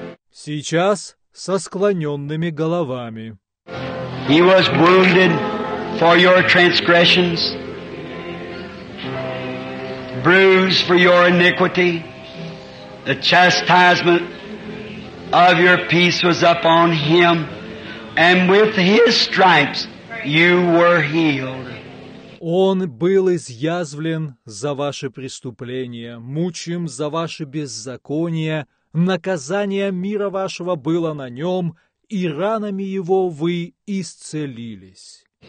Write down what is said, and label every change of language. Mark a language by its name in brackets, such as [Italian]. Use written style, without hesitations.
[Russian] Сейчас со склоненными головами. [English] He was wounded for your transgressions, bruised for your iniquity. The chastisement of your peace was upon him, and with his stripes you were healed. [Russian] Он был изъязвлен за ваши преступления, мучим за ваши беззакония, наказание мира вашего было на нем, и ранами его вы исцелились.